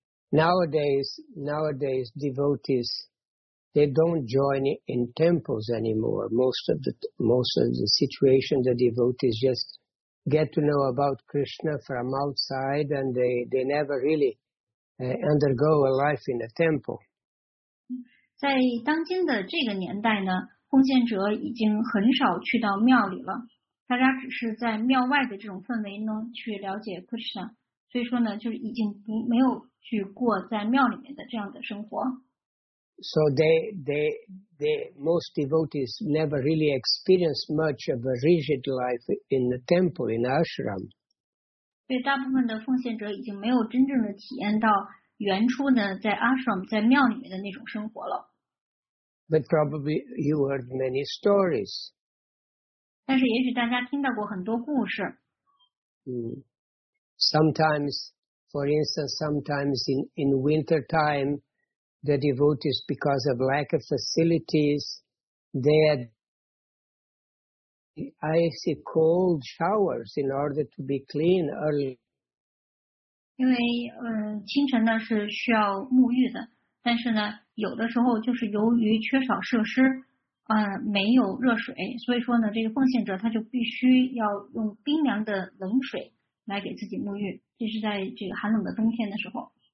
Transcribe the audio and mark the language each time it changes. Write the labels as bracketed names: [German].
[English] Nowadays, devotees, they don't join in temples anymore. Most of the situation, the devotees just get to know about Krishna from outside, and they never really undergo a life in a temple. [Chinese] 在当今的这个年代呢，奉献者已经很少去到庙里了。大家只是在庙外的这种氛围呢去了解 Krishna， 所以说呢，就是已经不没有去过在庙里面的这样的生活。 [English] So they most devotees never really experienced much of a rigid life in the temple in ashram. [Chinese] 对，大部分的奉献者已经没有真正的体验到原初呢在 ashram 在庙里面的那种生活了。 [English] But probably you heard many stories. [Chinese] 但是也许大家听到过很多故事。 [English] Sometimes, for instance, sometimes in winter time, the devotees, because of lack of facilities, they had icy cold showers in order to be clean early. [Chinese] 因为清晨呢是需要沐浴的，但是呢有的时候就是由于缺少设施。没有热水，所以说呢，这个奉献者他就必须要用冰凉的冷水来给自己沐浴，这是在这个寒冷的冬天的时候。